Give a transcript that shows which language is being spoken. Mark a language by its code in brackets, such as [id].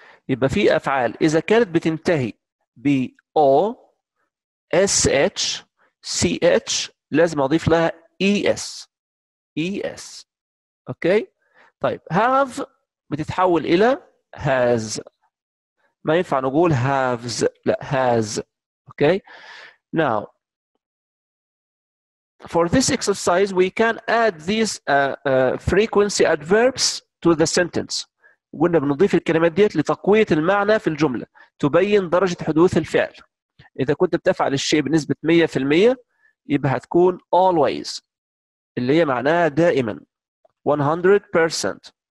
[ar] يبقى في أفعال إذا كانت بتنتهي ب O S H C H لازم أضيف لها ES. [en] Okay. [ar] طيب have بتتحول إلى has. ما ينفع نقول haves، لا has. [en] Okay. Now, for this exercise, we can add these frequency adverbs to the sentence. [ar] قلنا بنضيف الكلمات ديت لتقوية المعنى في الجملة، تبين درجة حدوث الفعل. إذا كنت بتفعل الشيء بنسبة 100%، يبقى هتكون always، اللي هي معناها دائما. 100%.